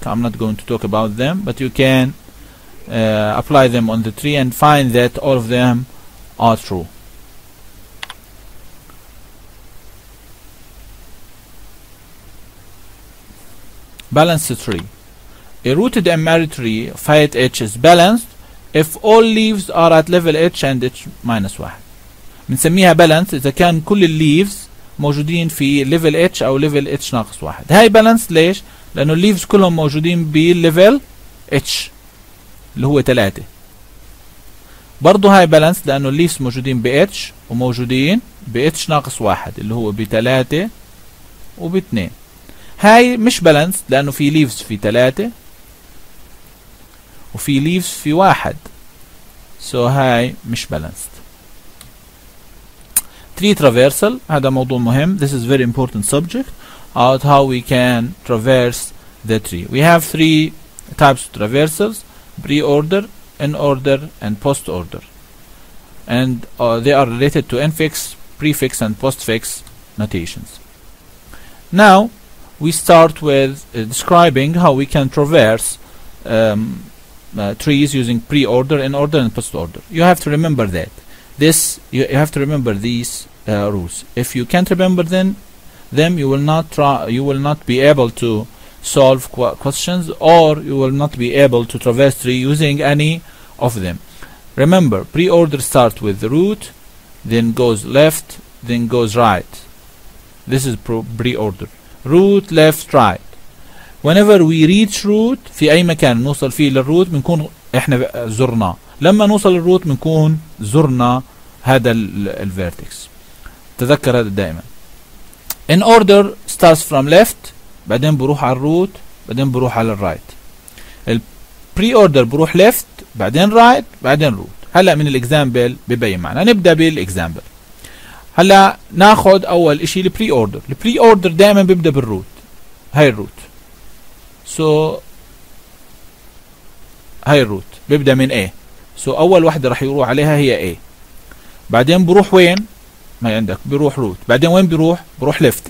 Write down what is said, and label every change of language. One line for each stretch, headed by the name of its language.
English: I'm not going to talk about them, but you can apply them on the tree and find that all of them are true. Balanced tree. A rooted M array tree of height H is balanced if all leaves are at level H and H minus 1.
Arabic: بنسميها balanced إذا كان كل الليفز موجودين في level H أو level H ناقص 1. هاي balanced ليش؟ لأنه الليفز كلهم موجودين بليفل H اللي هو 3. برضو هاي balanced لأنه الليفز موجودين ب H وموجودين ب H ناقص 1 اللي هو ب 3 وب 2. هاي مش balanced لأنه في leaves في 3 وفي leaves في 1. So هاي مش balanced.
English: Tree traversal
Arabic: هذا موضوع مهم.
English: This is very important subject about how we can traverse the tree. We have three types of traversals: pre-order, in-order, and post-order. And they are related to infix, prefix, and postfix notations. Now we start with describing how we can traverse trees using pre-order, in-order, and post-order. You have to remember that. You have to remember these rules. If you can't remember them, you will not be able to solve questions, or you will not be able to traverse tree using any of them. Remember, pre-order starts with the root, then goes left, then goes right. This is pre-order. Root, left, right. Whenever we reach root
Arabic: في أي مكان نوصل فيه للroot بنكون إحنا زرنا. لما نوصل للroot بنكون زرنا هذا ال vertex. تذكر هذا دائما.
English: In order starts from left،
Arabic: بعدين بروح على root، بعدين بروح على right. ال pre-order بروح left، بعدين right، بعدين root. هلا من ال example ببين معنا. نبدأ بال example. هلا ناخذ أول إشي البري أوردر. البري أوردر دائما بيبدأ بالروت، هاي الروت. سو هاي الروت بيبدأ من A. سو أول واحدة رح يروح عليها هي A، بعدين بروح وين؟ ما عندك بروح روت، بعدين وين بروح؟ بروح ليفت.